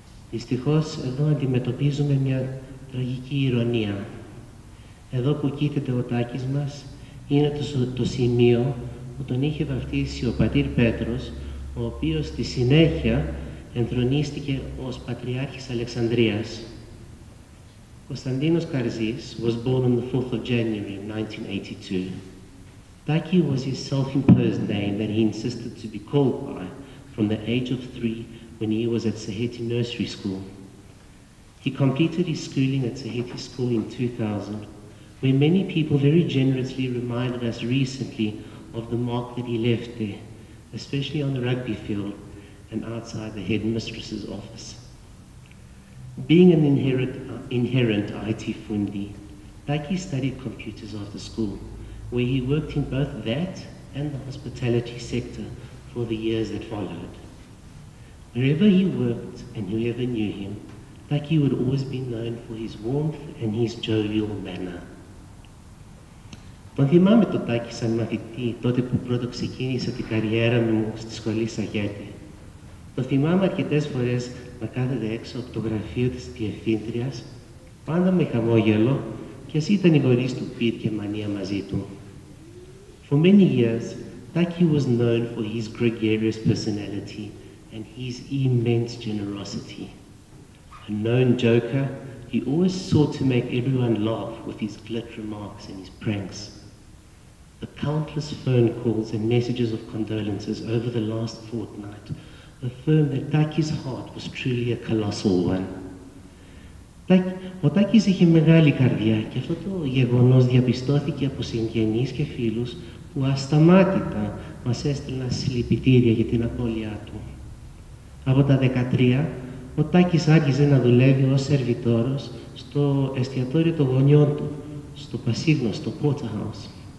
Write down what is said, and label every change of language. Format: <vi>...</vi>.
<el>Δυστυχώς, εδώ αντιμετωπίζουμε μια τραγική ηρωνία. Εδώ που κοίταται ο Τάκης μας, είναι το σημείο που τον είχε βαφτίσει ο πατήρ Πέτρος, ο οποίος στη συνέχεια ενθρονίστηκε ως Πατριάρχης Αλεξανδρίας.</el> <en>Κωνσταντίνος Καρζής was born on the 4th of January, 1982. Τάκη was his self-imposed name that he insisted to be called by from the age of 3 when he was at Sahiti Nursery School. He completed his schooling at Sahiti School in 2000, where many people very generously reminded us recently of the mark that he left there, especially on the rugby field and outside the headmistress's office. Being an inherent IT fundi, Taki studied computers after school, where he worked in both that and the hospitality sector for the years that followed. Wherever he worked and whoever knew him, Taki would always be known for his warmth and his jovial manner.</en> <el>Τον θυμάμαι τον Τάκη σαν μαθητή τότε που πρώτο ξεκίνησα την καριέρα μου στη σχολή Σαγέτη. Τον θυμάμαι αρκετές φορές να κάθεται έξω από το γραφείο της διευθύντριας, πάντα με χαμόγελο, κι ας ήταν οι γονείς του πίτ και μανία μαζί του.</el> <en>For many years, Taki was known for his gregarious personality and his immense generosity. A known joker, he always sought to make everyone laugh with his glit remarks and his pranks. The countless phone calls and messages of condolences over the last fortnight affirmed that Taki's heart was truly a colossal one.</en> <el>Ο Τάκης είχε μεγάλη καρδιά και αυτό το γεγονός διαπιστώθηκε από συγγενείς και φίλους που ασταμάτητα μας έστειλαν συλληπιτήρια για την απώλειά του. Από τα 13, ο Τάκης άρχιζε να δουλεύει ως σερβιτόρος στο εστιατόριο των γονιών του, στο πασίγνωστο Porterhouse.</el>